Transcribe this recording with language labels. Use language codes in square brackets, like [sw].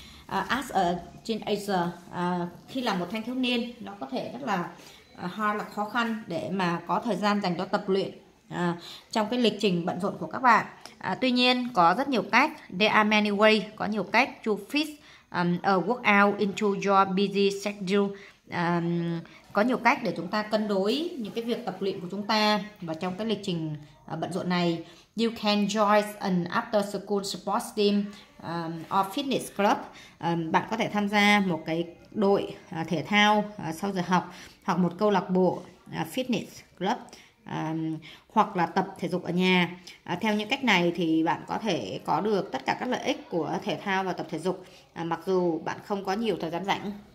[en] As a teenager, [vi] khi là một thanh thiếu niên, nó có thể rất là hard, là khó khăn để mà có thời gian dành cho tập luyện trong cái lịch trình bận rộn của các bạn. Tuy nhiên, có rất nhiều cách, [en] there are many ways, [vi] có nhiều cách [en] to fit a workout into your busy schedule. [vi] Có nhiều cách để chúng ta cân đối những cái việc tập luyện của chúng ta và trong cái lịch trình bận rộn này. [en] You can join an after school sports team or fitness club. [vi] Bạn có thể tham gia một cái đội thể thao sau giờ học, hoặc một câu lạc bộ fitness club, hoặc là tập thể dục ở nhà. Theo những cách này thì bạn có thể có được tất cả các lợi ích của thể thao và tập thể dục mặc dù bạn không có nhiều thời gian rảnh.